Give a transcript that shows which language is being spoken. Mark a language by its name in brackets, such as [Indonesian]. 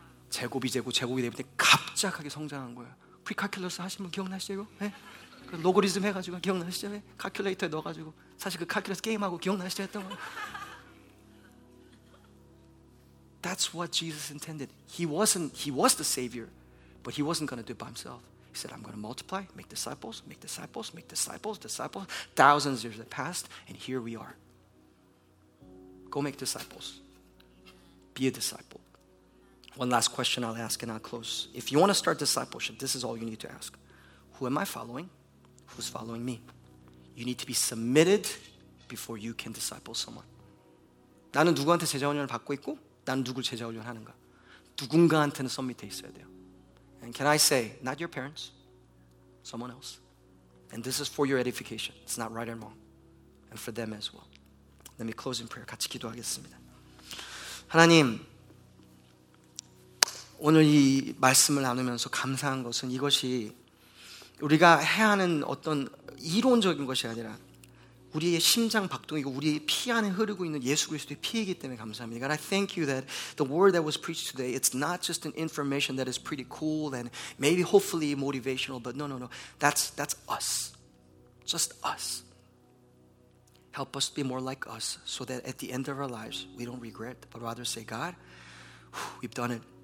[Korean] 제곱이 제곱, 제곱이 되면 갑작하게 성장한 거예요. Pre-calculus 하신 분 기억나시죠? 네? 그 로고리즘 해가지고 기억나시죠? 네? 칼큘레이터에 넣어가지고 사실 그 칼큘레이터 게임하고 기억나시죠? 했던 거 [English] That's what Jesus intended. He was the Savior, but he wasn't going to do it by himself. He said, I'm going to multiply, make disciples, make disciples, make disciples, disciples. Thousands of years have passed, and here we are. Go make disciples. Be a disciple. One last question I'll ask, and I'll close. If you want to start discipleship, this is all you need to ask. Who am I following? Who's following me? You need to be submitted before you can disciple someone. [Korean] 나는 누구한테 제자훈련을 받고 있고, 난 누굴 제자훈련하는가? 누군가한테는 서밋해 있어야 돼요. [English] And can I say, not your parents, someone else. And this is for your edification. It's not right or wrong. And for them as well. Let me close in prayer. [Korean] 같이 기도하겠습니다. 하나님, 오늘 이 말씀을 나누면서 감사한 것은 이것이 우리가 해야 하는 어떤 이론적인 것이 아니라 우리의 심장 박동이고 우리의 피 안에 흐르고 있는 예수 그리스도의 피이기 때문에 감사합니다. [English] God, I thank you that the word that was preached today, it's not just an information that is pretty cool and maybe hopefully motivational, but no. That's us. Just us. Help us be more like us so that at the end of our lives, we don't regret, but rather say, God, we've done it.